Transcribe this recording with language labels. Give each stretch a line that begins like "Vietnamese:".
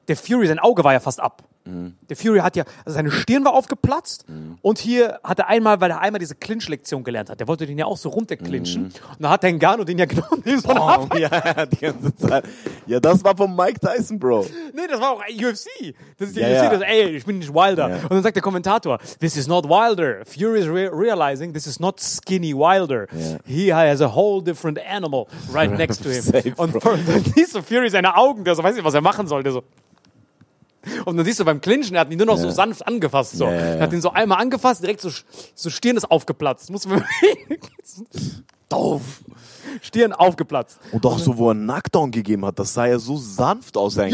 German: Der Fury, sein Auge war ja fast ab. Der Fury hat ja, also seine Stirn war aufgeplatzt und hier hat er einmal, weil er einmal diese Clinch-Lektion gelernt hat, der wollte den ja auch so runterclinchen und dann hat er Ngannou den ja genommen. So ja, die ganze Zeit. Ja, das war von Mike Tyson, Bro. Nee, das war auch UFC. Das ist die UFC, das, ey, ich bin nicht Wilder. Yeah. Und dann sagt der Kommentator,
English: this is not Wilder. Fury is realizing, this is not skinny Wilder. Yeah. He has a whole different animal right next to him.
German: Safe, und dann siehst du Fury seine Augen, der so, weiß nicht, was er machen soll, der so. Und dann siehst du beim Clinchen, er hat ihn nur noch so sanft angefasst. So. Er hat ihn so einmal angefasst, direkt so Stirn ist aufgeplatzt. Muss man doof. Stirn aufgeplatzt. Und auch so, wo er einen Knockdown gegeben hat, das sah ja so sanft aus eigentlich.